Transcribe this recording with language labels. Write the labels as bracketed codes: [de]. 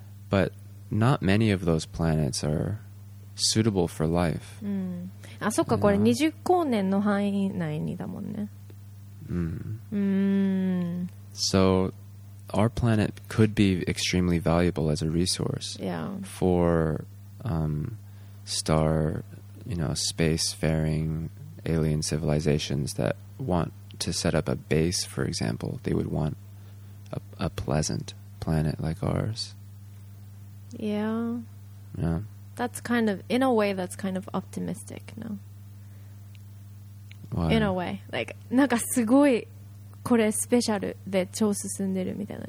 [en] But not many of those planets are suitable for life. [ja] あ、そっか、これ20光年の範囲内にだもんね。 [en] So, our planet could be extremely valuable as a resource for star, you know, space-faring alien civilizations that want to set up a base, for example. They would want a pleasant planet like ours. Yeah. Yeah. That's kind of, in a way, that's kind of optimistic, no? Why? In a way. [ja] Like, なんかすごい、これスペシャルで超進んでるみたいな。